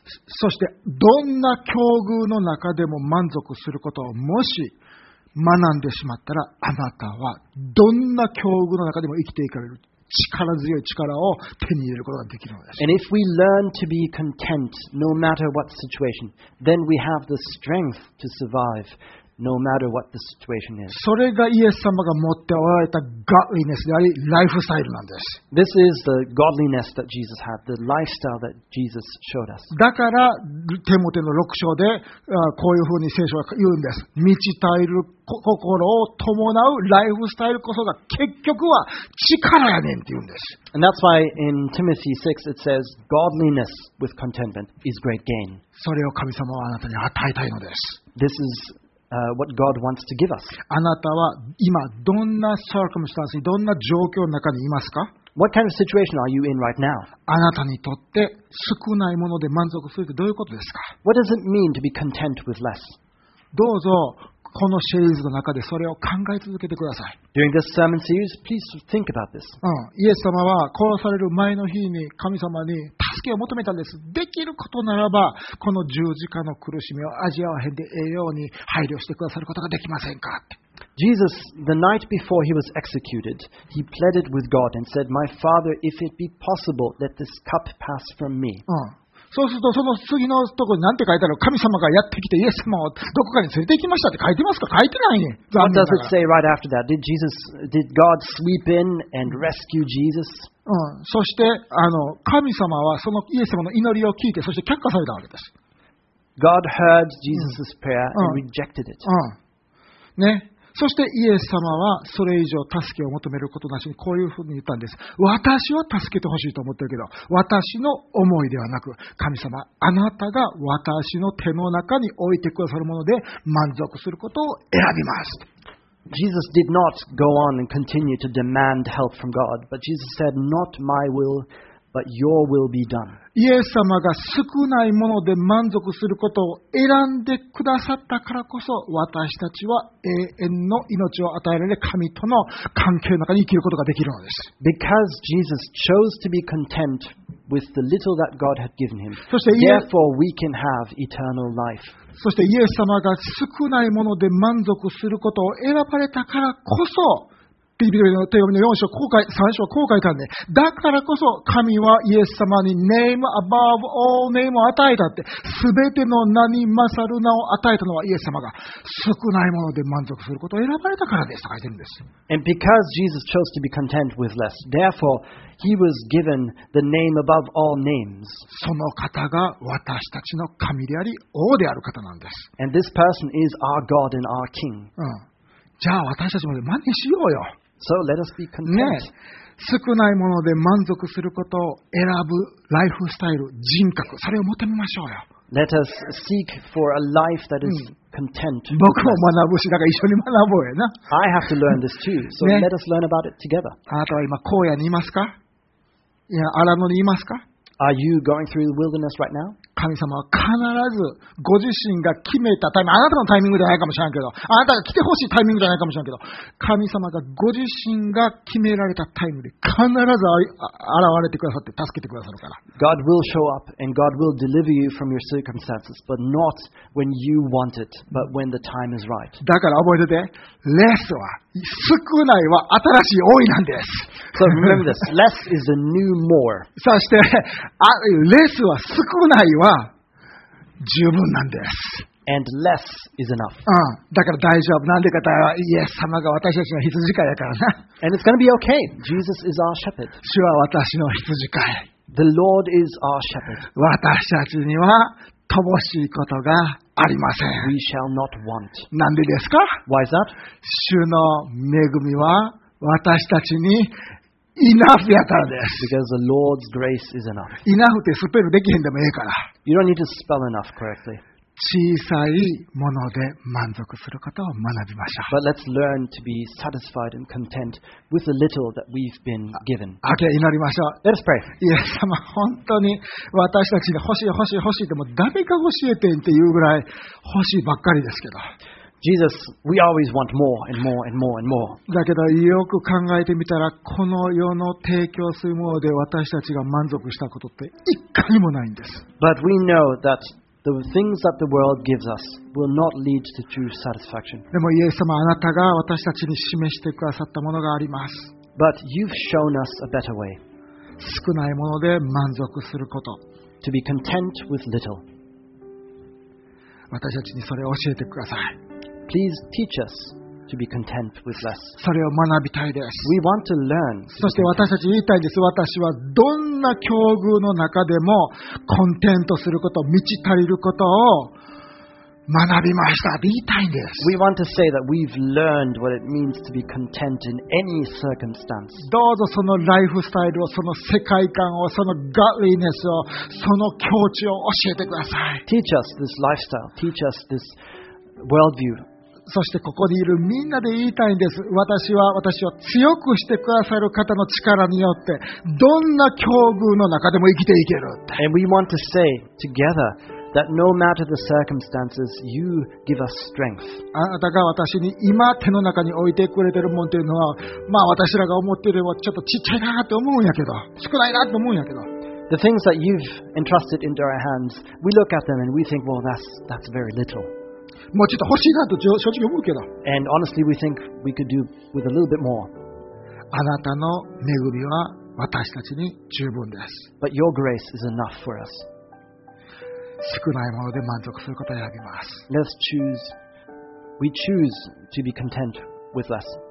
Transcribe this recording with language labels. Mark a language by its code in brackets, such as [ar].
[ja] そしてどんな境遇の中でも満足することをもし学んでしまったら、あなたはどんな境遇の中でも生きていかれる。力強い力を手に入れることができるのです。 [en] And if we learn to be content, no matter what situation, then we have the strength to survive, no matter what the situation is. [ja] それがイエス様が持っておられた godliness であり、ライフスタイルなんです。 [en] This is the godliness that Jesus had, the lifestyle that Jesus showed us. [ja] だから、テモテの6章で、こういうふうに聖書は言うんです。満ち足りる心を伴うライフスタイルこそが結局は力やねんって言うんです。 [en] And that's why in Timothy 6 it says, Godliness with contentment is great gain. [ja] それを神様はあなたに与えたいのです。 [en] This is what God wants to give us. [ja] あなたは今どんな circumstance にどんな状況の中にいますか？ [en] What kind of situation are you in right now? [ja] あなたにとって少ないもので満足するってどういうことですか？ [en] What does it mean to be content with less? [ja] どうぞこのシリーズの中でそれを考え続けてください。 [en] During this sermon series, please think about this. [ja] イエス様は殺される前の日に神様に助けを求めたんです。できることならば、この十字架の苦しみを味わわへんでええように配慮してくださることができませんか？ [en] Jesus, the night before he was executed, he pleaded with God and said, My Father, if it be possible, let this cup pass from me. [ja] そうするとその次のところに何て書いてある？神様がやってきてイエス様をどこかに連れて行きましたって書いてますか？書いてないね。残念ながら。 [en] What does it say right after that? Did Jesus, did God sweep in and rescue Jesus? [ja] そして神様はそのイエス様の祈りを聞いてそして却下されたわけです。 [en] God heard Jesus' prayer and rejected it. [ja] ね。そしてイエス様はそれ以上助けを求めることなしにこういうふうに言ったんです。私は助けてほしいと思ってるけど、私の思いではなく、神様、あなたが私の手の中に置いてくださるもので満足することを選びます。 [en] Jesus did not go on and continue to demand help from God, but Jesus said, Not my will, but your will be done. [ja] イエス様が少ないもので満足することを選んでくださったからこそ私たちは永遠の命を与えられ神との関係の中に生きることができるのです。 [en] Because Jesus chose to be content with the little that God had given him, therefore we can have eternal life. [ja] そしてイエス様が少ないもので満足することを選ばれたからこそピリピリの手紙の4章、後悔、3章、後悔感ね。だからこそ、神はイエス様に [en] name above all name [ja] を与えたって、すべての名に勝る名を与えたのはイエス様が、少ないもので満足することを選ばれたからですと書いてるんです。 [en] And because Jesus chose to be content with less, therefore, he was given the name above all names. [ja] その方が私たちの神であり、王である方なんです。 [en] And this person is our God and our King.、 [ja] うん、じゃあ私たちも真似しようよ。 [en] So let us be content. [ja] ね、少ないもので満足することを選ぶライフスタイル、人格、それを求めましょうよ。 [en] Let us seek for a life that is content. [ja] 僕も学ぶし、だから一緒に学ぼうよな。 [en] I have to learn this too. So、ね、let us learn about it together. [ja] あなたは今荒野にいますか？いや、荒野にいますか？ [en] Are you going through the wilderness right now? [ja] 神様は必ずご自身が決めたタイミング、あなたのタイミングじゃないかもしれないけど、あなたが来てほしいタイミングじゃないかもしれないけど、神様がご自身が決められたタイミングで必ず現れてくださって助けてくださるから。 [en] God will show up and God will deliver you from your circumstances, but not when you want it, but when the time is right. [ja] だから覚えてて、less は少ないは新しい多いなんです。 [en] So remember this, less is the new more. [ja] そしてあ、レスは少ないは十分なんです。 [en] And less is enough. [ja] うん、だから大丈夫。なんでかたら、イエス様が私たちの羊飼いだからな。 [en] And it's gonna be okay. Jesus is our shepherd. [ja] 主は私の羊飼い。 [en] The Lord is our shepherd. [ja] 私たちには乏しいことがありません。 [en] We shall not want. [ja] なんでですか？ [en] Why is that? [ja] 主の恵みは私たちにEnough やったんです。 [en] Because the Lord's grace is enough. [ja] Enough ってスペルできへんでもええから。 [en] You don't need to spell enough correctly. [ja] 小さいもので満足することを学びましょう。 [en] But let's learn to be satisfied and content with the little that we've been given. [ja] Okay, 祈りましょう。 [en] Let us pray. [ja] イエス様、本当に私たちに欲しい欲しい欲しいでも誰か欲しいてんっていうぐらい欲しいばっかりですけど。 [en] Jesus, we always want more and more and more and more. [ja] だけどよく考えてみたら、この世の提供するもので私たちが満足したことって一回もないんです。 [en] But we know that the things that the world gives us will not lead to true satisfaction. [ja] でもイエス様、あなたが私たちに示してくださったものがあります。 [en] But you've shown us a better way. [ja] 少ないもので満足すること。 [en] To be content with little. [ja] 私たちにそれを教えてください。 [en] Please teach us to be content with less. [ja] それを学びたいです。 [en] We want to learn. [ja] そして私たち言いたいです。私はどんな境遇の中でもコンテントすること、満ち足りることを学びました。言いたいです。 [en] We want to say that we've learned what it means to be content in any circumstance. [ja] どうぞそのライフスタイルを、その世界観を、その godliness を、その境地を教えてください。 [en] Teach us this lifestyle. Teach us this. Worldview. [ja] そしてここにいるみんなで言いたいんです。私は強くしてくださる方の力によってどんな境遇の中でも生きていける。 [en] And we want to say together that no matter the circumstances, you give us strength. [ja] あなたが私に今手の中に置いてくれてるもんというのは、まあ私らが思っているよりもちょっとちっちゃいなと思うんやけど、少ないなと思うんやけど。 [en] The things that you've entrusted into our hands, we look at them and we think, well, that's very little. [ja] もうちょっと欲しいなと正直思うけど。 [en] And honestly, we think we could do with a little bit more. [ja] あなたの恵みは私たちに十分です。 [en] But your grace is enough for us. [ja] 少ないもので満足することを選びます。 [en] Let's choose. We choose to be content with less.